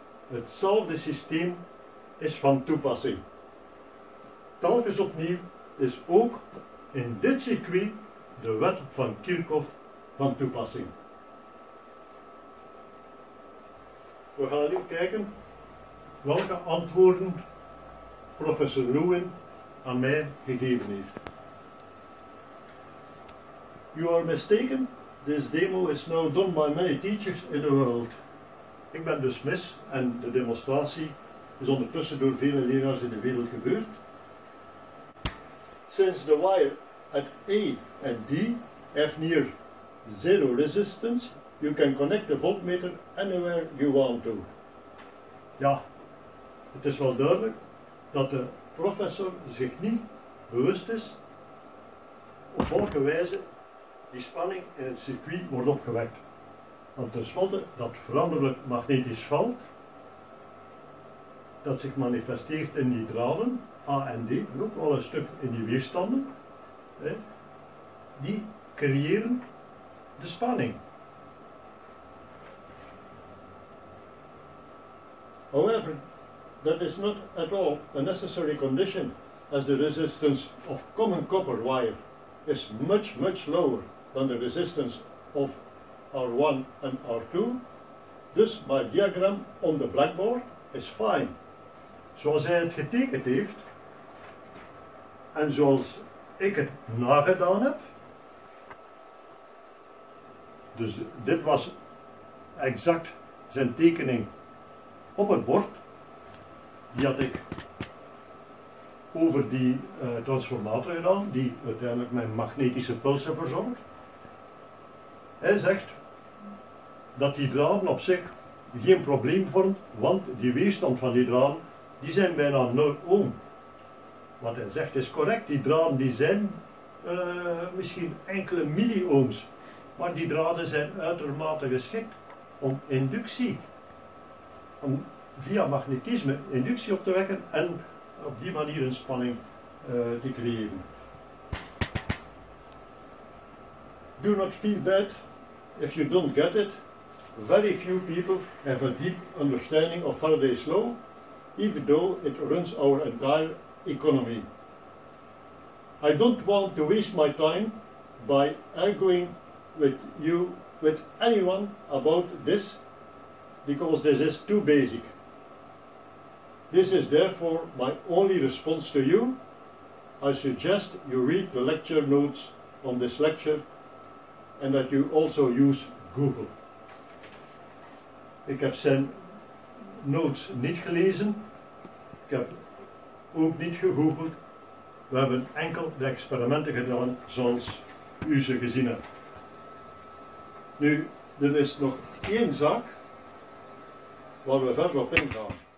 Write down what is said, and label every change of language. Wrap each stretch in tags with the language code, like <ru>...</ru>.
<nl>Hetzelfde systeem is van toepassing. Telkens opnieuw is ook in dit circuit de wet van Kirchhoff van toepassing. We gaan nu kijken welke antwoorden professor Lewin aan mij gegeven heeft.</nl> <en>You are mistaken. This demo is now done by many teachers in the world.</en> <nl>Ik ben dus mis en de demonstratie is ondertussen door vele leraars in de wereld gebeurd.</nl> <en>Since the wire at A and D have near zero resistance, you can connect the voltmeter anywhere you want to.</en> <nl>Ja, het is wel duidelijk dat de professor zich niet bewust is op welke wijze die spanning in het circuit wordt opgewekt. Want tenslotte, dat veranderlijk magnetisch veld, dat zich manifesteert in die draden, A en D, en ook wel een stuk in die weerstanden, die creëren de spanning.</nl> <en>However, that is not at all a necessary condition, as the resistance of common copper wire is much, much lower than the resistance of R1 and R2.</en> <nl>Dus mijn diagram</nl> <en>on the blackboard is fine.</en> <nl>Zoals hij het getekend heeft, en zoals ik het nagedaan heb, dus dit was exact zijn tekening op het bord, die had ik over die transformator gedaan, die uiteindelijk mijn magnetische pulsen verzorgt. Hij zegt dat die draden op zich geen probleem vormt, want die weerstand van die draden, die zijn bijna 0 ohm. Wat hij zegt is correct, die draden die zijn misschien enkele milli-ohms, maar die draden zijn uitermate geschikt om inductie, om via magnetisme inductie op te wekken en op die manier een spanning te creëren.</nl> <en>Do not feel bad if you don't get it. Very few people have a deep understanding of Faraday's law, even though it runs our entire economy. I don't want to waste my time by arguing with you, with anyone about this, because this is too basic. This is therefore my only response to you. I suggest you read the lecture notes on this lecture and that you also use Google.</en> <nl>Ik heb zijn notes niet gelezen. Ik heb ook niet gegoogeld. We hebben enkel de experimenten gedaan zoals u ze gezien hebt. Nu, er is nog één zaak waar we verder op ingaan.</nl>